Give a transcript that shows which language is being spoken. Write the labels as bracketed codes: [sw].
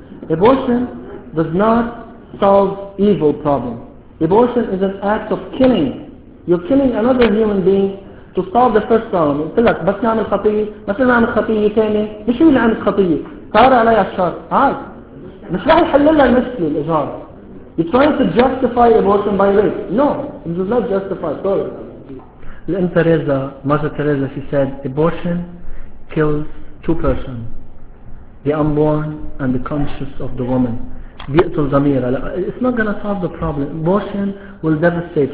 [en] Abortion does not solve evil problem. Abortion is an act of killing. You're killing another human being to solve the first problem. [ar] قلت لك بس نعمل خطية، بس نعمل خطية ثانية، مش هو اللي عمل خطية. طار علي الشر. عاد. مش راح يحل لها المشكلة الإجارة. [en] You're trying to justify abortion by rape. No, it does not justify. Sorry. [ar] لأن [en] Teresa, Mother Teresa, she said, abortion kills two persons, the unborn and the conscious of the woman. It's not going to solve the problem. Abortion will devastate.